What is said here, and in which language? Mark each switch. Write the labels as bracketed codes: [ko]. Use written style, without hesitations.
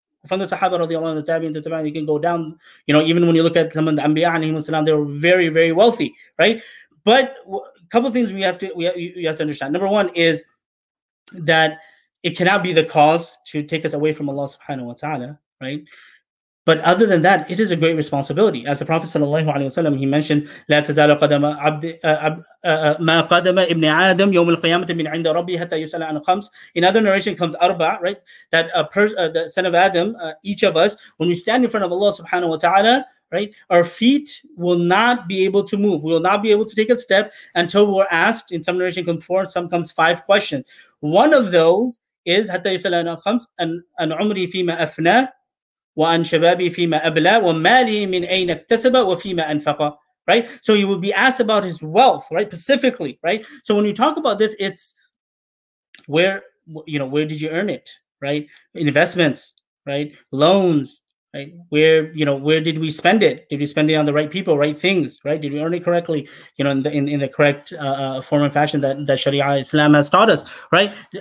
[en] From the Sahaba radiallahu anhu, the Tabi'in, the Tabi'in, you can go down, you know, even when you look at some of the Anbiya alayhi wasalam, they were very, very wealthy, right? But a couple of things we have to understand. Number one is that, it cannot be the cause to take us away from Allah subhanahu wa ta'ala, right? But other than that, it is a great responsibility. As the Prophet sallallahu alaihi wasallam, he mentioned, [ar] لا تزال قدم عبد ما قدم ابن آدم يوم القيامة من عند ربي حتى يسأل عن خمس. [en] In other narration comes [ar] أربع, [en] right? That the son of Adam, each of us, when we stand in front of Allah subhanahu wa ta'ala, right, our feet will not be able to move. We will not be able to take a step until we're asked. In some narration comes four, some comes five questions. One of those is [ar] حتى يسأل عن خمس أن عمري فيما أفنى وأن شبابي فيما أبلى ومالي من أين اكتسب وفيما أنفق. [en] Right, so he will be asked about his wealth, right, specifically, right. So when you talk about this, it's where did you earn it, right? Investments, right? Loans, right? Where did we spend it? Did we spend it on the right people, right things, right? Did we earn it correctly, in the correct form and fashion that Sharia Islam has taught us, right?